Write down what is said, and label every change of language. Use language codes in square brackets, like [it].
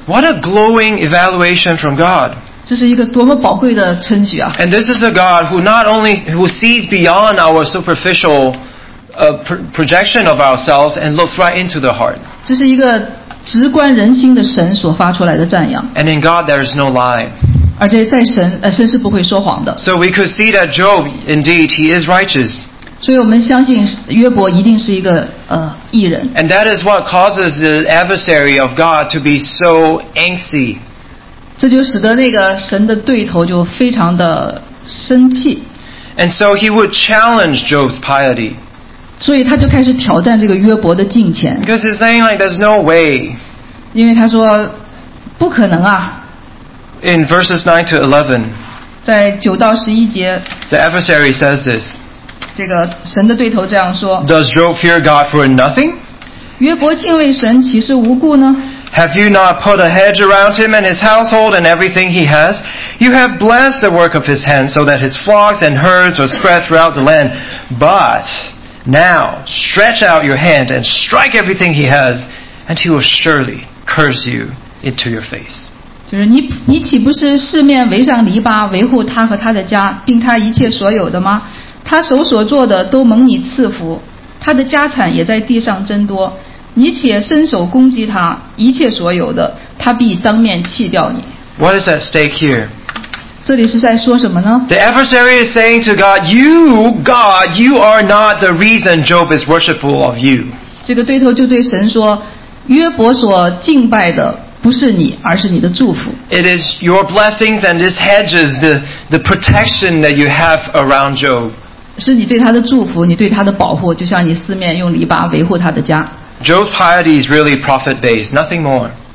[en] What a glowing evaluation from God. [zh] 这是一个多么宝贵的称许啊。 [en] And this is a God who not only who sees beyond our superficial projection of ourselves and looks right into the heart. [zh] 这是一个直观人心的神所发出来的赞扬。 [en] And in God there is no lie. [zh] 而且在神，神是不会说谎的。 [en] So we could see that Job indeed he is righteous. [zh] 所以我们相信约伯一定是一个义人。 [en] And that is what causes the adversary of God to be so angsty. [zh] 这就使得那个神的对头就非常的生气。 [en] And so he would challenge Job's piety. [zh] 所以他就开始挑战这个约伯的敬虔。 [en] Because he's saying like there's no way. [zh] 因为他说不可能啊。 [en] In verses 9-11, [zh] 在九到十一节 [en] the adversary says this. [zh] 这个神的对头这样说 [en] Does Job fear God for nothing? [zh] 约伯敬畏神岂是无故呢 [en] Have you not put a hedge around him and his household and everything he has? You have blessed the work of his hands so that his flocks and herds are spread throughout the land. But now stretch out your hand and strike everything he has, and he will surely curse you into your face. [zh] 就是你岂不是四面围上篱笆维护他和他的家并他一切所有的吗他手所做的都蒙你赐福他的家产也在地上增多你且伸手攻击他一切所有的他必当面弃掉你 [en] What is at stake here? [zh] 这里是在说什么呢 [en] The adversary is saying to God You, God, you are not the reason Job is worshipful of you [zh] 这个对头就对神说约伯所敬拜的不是你，而是你的祝福。 [en] It is your blessings and these hedges, the protection that you have around Job. [zh] 是你对他的祝福，你对他的保护，就像你四面用篱笆维护他的家。 [en] Job's piety is really profit-based, nothing more.